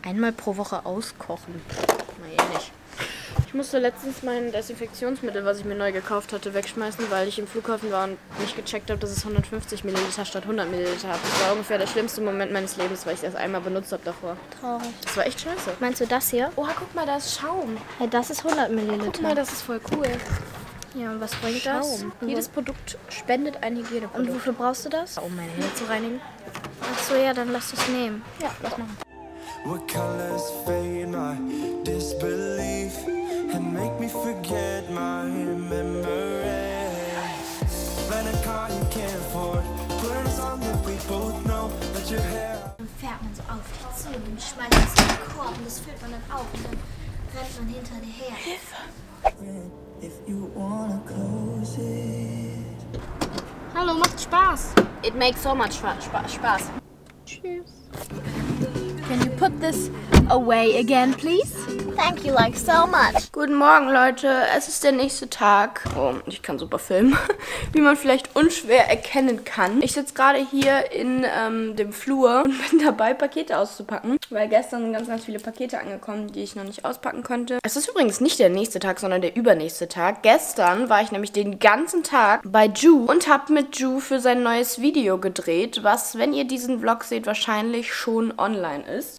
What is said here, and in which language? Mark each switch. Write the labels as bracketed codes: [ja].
[de] Einmal pro Woche auskochen. Mal ehrlich. Ich musste letztens mein Desinfektionsmittel, was ich mir neu gekauft hatte, wegschmeißen, weil ich im Flughafen war und nicht gecheckt habe, dass es 150 Milliliter statt 100 Milliliter hat. Das war ungefähr der schlimmste Moment meines Lebens, weil ich es erst einmal benutzt habe davor. Traurig. Das war echt scheiße. Meinst du das hier? Oha, guck mal, da ist Schaum. Hey, das ist 100 Milliliter. Guck mal, das ist voll cool. Ja, und was bringt das? Jedes Produkt spendet ein Hygieneprodukt. Und wofür brauchst du das? Um meine Hände zu reinigen. Ach so, ja, dann lass das nehmen. Ja, lass machen. [en] What colors fade my disbelief and make me forget my memory. Rent a car you can't afford. Put it on that we both know that your hair. [de] Dann fährt man so auf dich zu und dann schmeißt man es in den Korb und das füllt man dann auf und dann rennt man hinter dir her. Hilfe! [en] If you wanna close it. [de] Hallo, macht Spaß. [en] It makes so much Spaß. [de] Tschüss. [en] Can you put this away again, please? Thank you, like, so much. [de] Guten Morgen, Leute. Es ist der nächste Tag. Oh, ich kann super filmen. Wie man vielleicht unschwer erkennen kann. Ich sitze gerade hier in dem Flur und bin dabei, Pakete auszupacken. Weil gestern sind ganz, ganz viele Pakete angekommen, die ich noch nicht auspacken konnte. Es ist übrigens nicht der nächste Tag, sondern der übernächste Tag. Gestern war ich nämlich den ganzen Tag bei Ju und habe mit Ju für sein neues Video gedreht, was, wenn ihr diesen Vlog seht, wahrscheinlich schon online ist.